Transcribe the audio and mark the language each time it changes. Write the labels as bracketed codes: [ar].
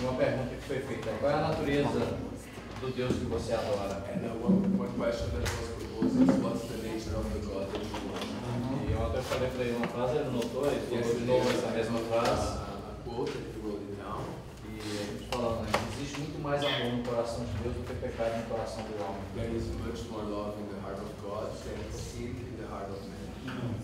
[pt] Uma pergunta que foi feita: qual é a natureza do Deus que você adora? [en] Uma question that was proposed: what's the nature of the God that you worship? [pt] E ontem eu falei para ele uma frase, ele notou, ele falou de novo essa mesma frase. [en] Quote that he wrote it down. [pt] E a gente falando, né? Existe muito mais amor no coração de Deus do que pecado no coração do homem. [en] There is much more love in the heart of God than sin in the heart of man.